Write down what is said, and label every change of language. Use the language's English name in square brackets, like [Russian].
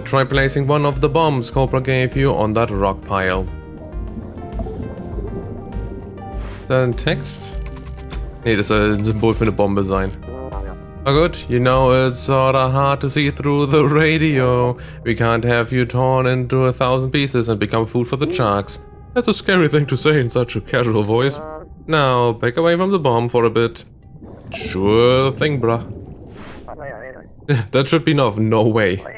[English] Try placing one of the bombs Cobra gave you on that rock pile. [German] Ist das ein Text? Nee, das soll ein Symbol für eine Bombe sein. [English] Oh good, you know it's sorta hard to see through the radio. We can't have you torn into a thousand pieces and become food for the sharks. That's a scary thing to say in such a casual voice. Now, back away from the bomb for a bit. Sure thing, bruh. That should be enough, no way.